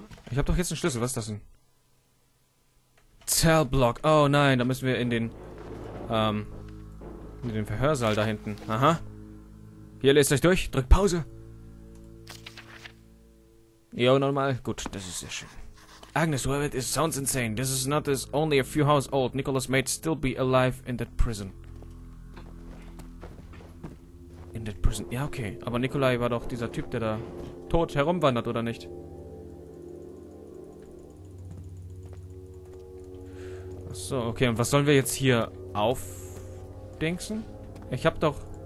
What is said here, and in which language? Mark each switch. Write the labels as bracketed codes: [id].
[de] Ich hab doch jetzt einen Schlüssel, was ist das denn? Cellblock, oh nein, da müssen wir in den, in den Verhörsaal da hinten. Aha. Hier, lest euch durch, drückt Pause. Jo, nochmal, gut, das ist sehr schön. [en] Agnes Webbit, it sounds insane. This is not as only a few hours old. Nicholas may still be alive in that prison. In that prison, ja okay. [de] Aber Nikolai war doch dieser Typ, der da tot herumwandert, oder nicht? So, okay, und was sollen wir jetzt hier aufdingsen? Ich hab doch...